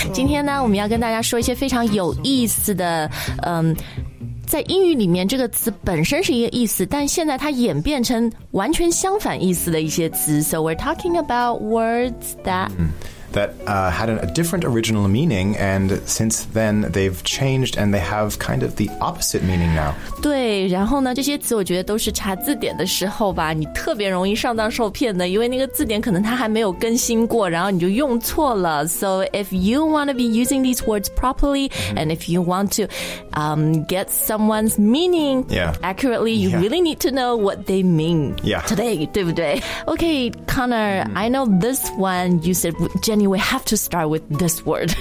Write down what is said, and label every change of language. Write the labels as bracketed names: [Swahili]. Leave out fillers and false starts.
[Chinese] 今天呢，我们要跟大家说一些非常有意思的在英语里面这个词本身是一个意思，但现在它演变成完全相反意思的一些词。 [English] So we're talking about words that had a different original meaning, and since then they've changed and they have kind of the opposite meaning now. [Chinese] 对，然后呢，这些词我觉得都是查字典的时候吧，你特别容易上当受骗的，因为那个字典可能它还没有更新过，然后你就用错了。 [English] So if you want to be using these words properly, and if you want to get someone's meaning accurately, you really need to know what they mean today, [Chinese] 对不对？ [English] Okay, Connor, I know this one, you said... Jenny, we have to start with this word.